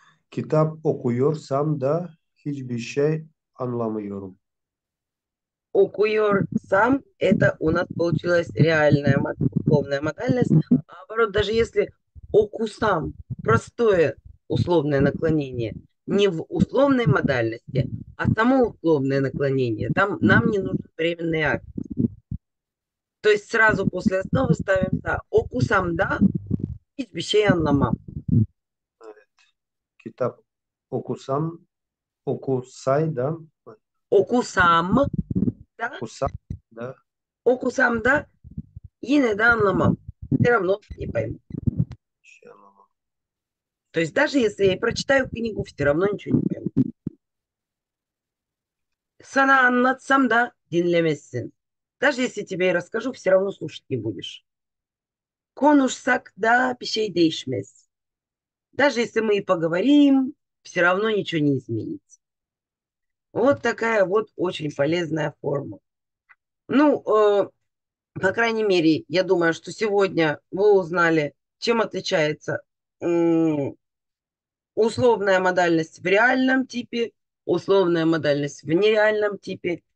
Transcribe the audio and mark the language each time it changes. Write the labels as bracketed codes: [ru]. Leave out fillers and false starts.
[tr] Kitap okuyorsam da hiçbir şey anlamıyorum. [ru] Okuyor сам, это у нас получилась реальная условная модальность. Наоборот, даже если окусам, простое условное наклонение, не в условной модальности, а само условное наклонение, там нам не нужен временный акт. То есть сразу после основы ставим да, окусам, да, из вещей анлама. [tr] Kitap okusam, okusaydım, Okusam, da. okusam da. Okusam da yine de anlamam. [ru] Все равно не пойму. То есть даже если я прочитаю книгу, все равно ничего не пойму. [tr] Sana anlatsam da dinlemezsin. [ru] Даже если тебе расскажу, все равно слушать не будешь. [tr] Konuşsak da bir şey değişmez. [ru] Даже если мы и поговорим, все равно ничего не изменится. Вот такая вот очень полезная форма. Ну, по крайней мере, я думаю, что сегодня вы узнали, чем отличается условная модальность в реальном типе, условная модальность в нереальном типе.